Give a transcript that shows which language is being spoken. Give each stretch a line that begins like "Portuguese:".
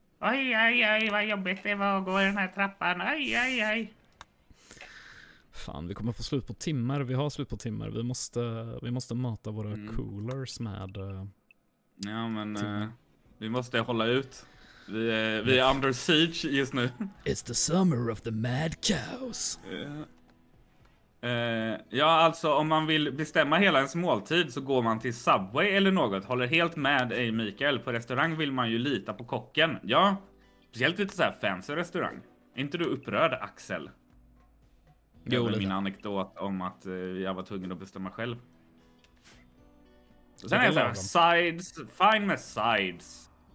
Swedish: Oj, oj, oj, vad jobbigt det var att gå i den här trappan. Oj, oj, oj. Fan, vi kommer få slut på timmar. Vi har slut på timmar. Vi måste mata våra coolers med... Ja, men vi måste hålla ut. Vi är under siege just nu.
English: It's the summer of the mad cows.
Swedish: Ja, alltså om man vill bestämma hela ens måltid så går man till Subway eller något. Håller helt med dig, Mikael. På restaurang vill man ju lita på kocken. Ja, speciellt lite så här fancy restaurang. Är inte du upprörd, Axel? Jo, min anekdot om att jag var tvungen att bestämma själv. Sen är det så här, sides. Fine med sides.